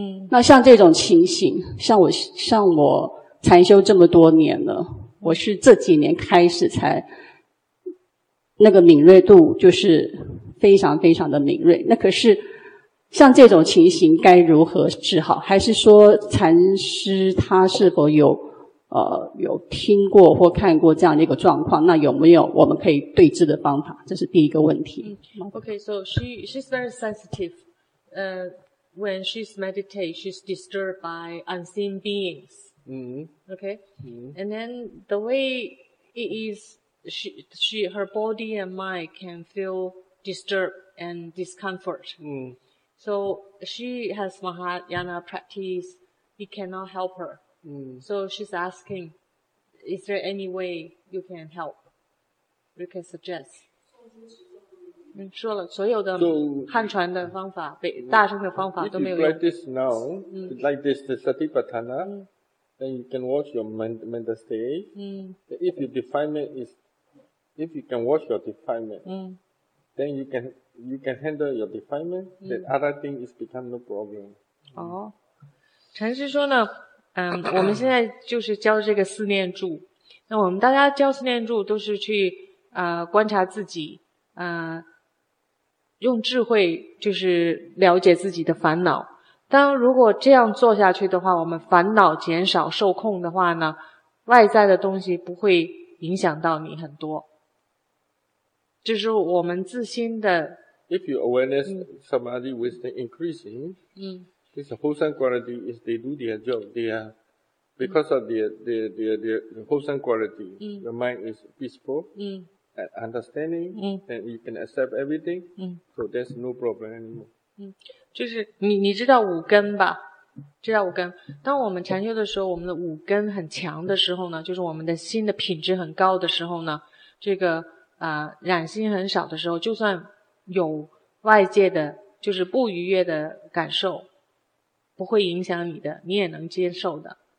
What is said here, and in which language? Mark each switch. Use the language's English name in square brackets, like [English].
[Chinese] 那像这种情形，像我禅修这么多年了，我是这几年开始才那个敏锐度就是非常非常的敏锐。那可是像这种情形该如何治好？还是说禅师他是否有听过或看过这样的一个状况？那有没有我们可以对治的方法？这是第一个问题。 [English] Okay, so she's very sensitive. When she's meditate, she's disturbed by unseen beings. Okay. And then the way it is, her body and mind can feel. Disturb and discomfort. So she has Mahayana practice. It cannot help her. So she's asking, is there any way you can help? You can suggest. [Chinese] 说了所有的汉传的方法，大乘的方法都没有用。 [English] If you practice now, like this, the Satipatthana, then you can watch your mental state. If your defilement is, if you can watch your defilement, then you can handle your defilement, that other thing is become no problem. [Chinese] 哦，禅师说呢，我们现在就是教这个四念住。那我们大家教四念住都是去观察自己，用智慧就是了解自己的烦恼。当如果这样做下去的话，我们烦恼减少受控的话呢，外在的东西不会影响到你很多。就是我们自心的。 [English] If your awareness, samadhi wisdom increasing, this wholesome quality is they do their job. They are, because of their wholesome quality, your mind is peaceful, and understanding, and you can accept everything, so there's no problem anymore. [Chinese] 就是你知道五根吧？知道五根。当我们禅修的时候，我们的五根很强的时候呢，就是我们的心的品质很高的时候呢，这个。染心很少的时候，就算有外界的就是不愉悦的感受，不会影响你的，你也能接受的。